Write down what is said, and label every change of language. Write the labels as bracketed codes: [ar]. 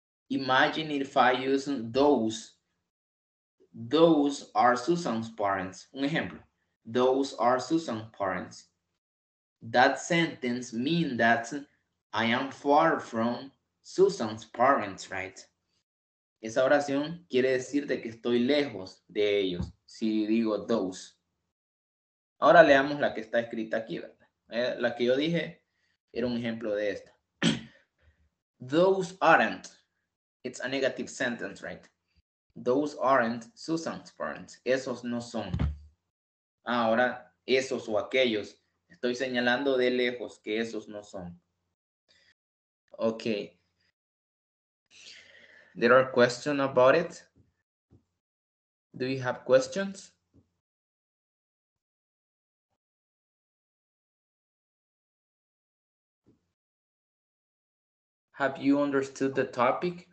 [en] Imagine if I use those. Those are Susan's parents. [es] Un ejemplo. [en] Those are Susan's parents. That sentence means that I am far from Susan's parents, right? [es] Esa oración quiere decir de que estoy lejos de ellos, si digo those. Ahora leamos la que está escrita aquí, ¿verdad? La que yo dije era un ejemplo de esta. [en] Those aren't. It's a negative sentence, right? Those aren't Susan's parents. [es] Esos no son. Ahora, esos o aquellos. Estoy señalando de lejos que esos no son. [en] Okay. There are questions about it. Do you have questions? Have you understood the topic?